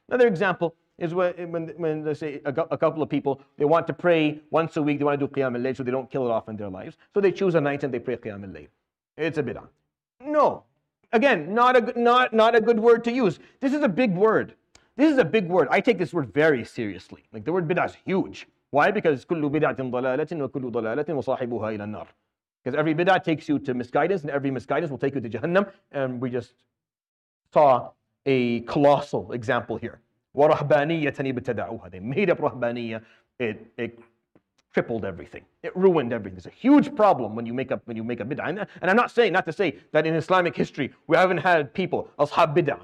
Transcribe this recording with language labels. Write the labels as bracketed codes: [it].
[en] Another example is when they say a couple of people, they want to pray once a week, they want to do Qiyam al-Layl so they don't kill it off in their lives. So they choose a night and they pray Qiyam al-Layl. It's a bid'ah. No. Again, not a good word to use. This is a big word. This is a big word. I take this word very seriously. Like, the word bid'ah is huge. Why? [ar] Because كُلُّ بِدْعَةٍ ضَلَالَةٍ وَكُلُّ ضَلَالَةٍ وَصَاحِبُهَا إِلَى النَّارِ. [en] Because every bid'ah takes you to misguidance and every misguidance will take you to Jahannam. And we just saw a colossal example here. [ar] وَرَهْبَانِيَّةً يَبْتَدَعُوهَا. [en] They made up rahbaniyah. It crippled everything. It ruined everything. It's a huge problem when you make a bid'ah. And I'm not to say that in Islamic history we haven't had people, ashab bid'ah.